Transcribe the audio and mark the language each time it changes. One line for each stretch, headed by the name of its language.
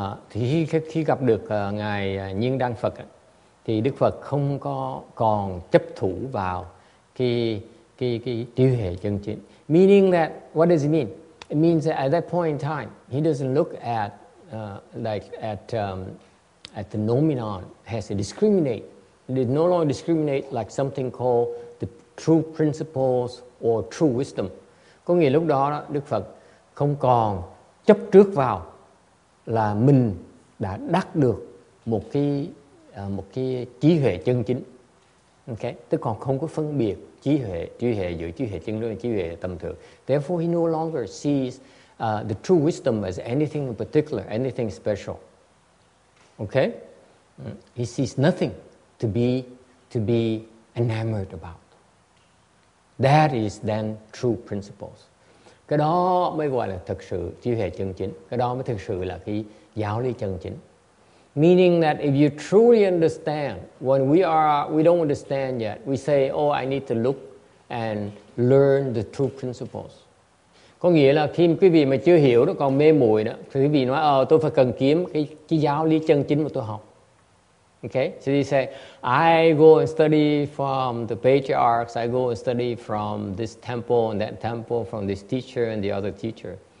Vietnamese: Khi gặp được ngài Nhiên Đăng Phật thì Đức Phật không có còn chấp thủ vào cái trí huệ chân chính.
English: Meaning that, what does it mean? It means that at that point in time, he doesn't look at the nominal, has to discriminate. It no longer discriminate like something called the true principles or true wisdom.
Vietnamese: Có nghĩa lúc đó Đức Phật không còn chấp trước vào là mình đã đắc được một cái trí huệ chân chính. Okay, tức còn không có phân biệt trí huệ giữa trí huệ chân chính và trí huệ tầm thường.
English: Therefore, he no longer sees the true wisdom as anything in particular, anything special. Okay, he sees nothing to be enamored about. That is then true principles.
Vietnamese: Cái đó mới gọi là thực sự trí huệ chân chính. Cái đó mới thực sự là cái giáo lý chân chính.
English: Meaning that if you truly understand, when we don't understand yet, we say, oh, I need to look and learn the true principles.
Vietnamese: Có nghĩa là khi quý vị mà chưa hiểu, còn mê muội đó, thì quý vị nói, tôi phải cần kiếm cái giáo lý chân chính mà tôi học.
English: Okay? So you say, I go and study from the patriarchs, I go and study from this temple and that temple, from this teacher and the other teacher.